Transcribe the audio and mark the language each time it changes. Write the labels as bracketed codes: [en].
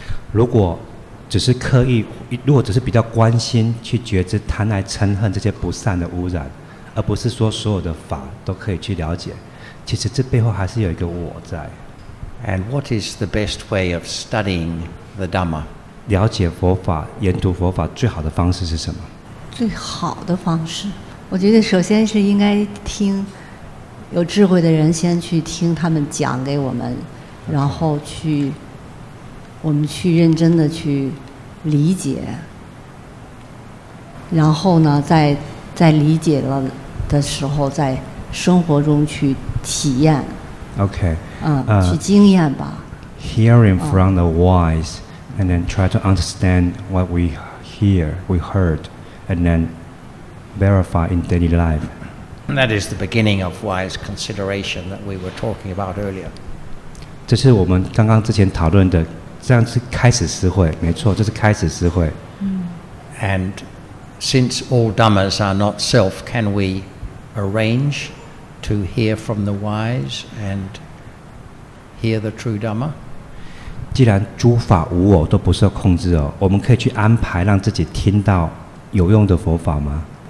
[zh] 如果只是刻意，如果只是比较关心去觉知贪爱嗔恨这些不善的污染，而不是说所有的法都可以去了解。其实这背后还是有一个我在。 [en] And what is the best way of studying the Dhamma? [zh] 了解佛法、研读佛法最好的方式是什么？最好的方式。我觉得首先是应该听有智慧的人先去听他们讲给我们，然后去我们去认真的去理解，然后呢在理解了的时候在生活中去体验。 [en] OK [zh] 去经验吧。 [en] Hearing from the wise and then try to understand what we hear, we heard, and then verify in daily life. And that is the beginning of wise consideration that we were talking about earlier. [zh] 这是我们刚刚之前讨论的，这样是开始思慧，没错，这是开始思慧。 [en] And since all Dhammas are not self, can we arrange to hear from the wise and hear the true Dhamma? [zh] 既然诸法无我都不受控制哦，我们可以去安排让自己听到有用的佛法吗？